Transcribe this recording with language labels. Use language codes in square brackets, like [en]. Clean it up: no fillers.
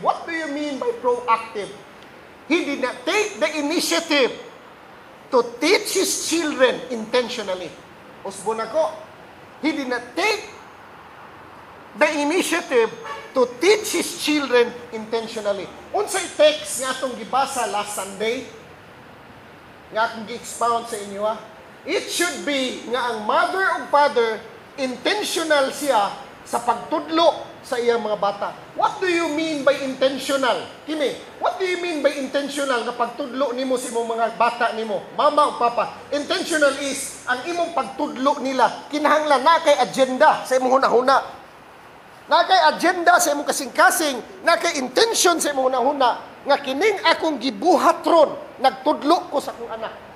[en] What do you mean by proactive? He did not take the initiative to teach his children intentionally. [ceb] Usbon ako. [en] He did not take the initiative to teach his children intentionally. [ceb] Unsay text nga itong gibasa last Sunday, nga akong gi-expound sa inyo, [en] it should be [ceb] nga ang mother o father intentional siya sa pagtudlo sa iyang mga bata. [en] What do you mean by intentional? [ceb] Kini, [en] what do you mean by intentional [ceb] na pagtudlo nimo sa imong mga bata nimo? Mama o papa, intentional is ang imong pagtudlo nila kinahanglan na kay agenda sa imong huna-huna. Na kay agenda sa imong kasing-kasing, na kay intention sa imong huna-huna nga kining akong gibuhatron, nagtudlo ko sa akong anak.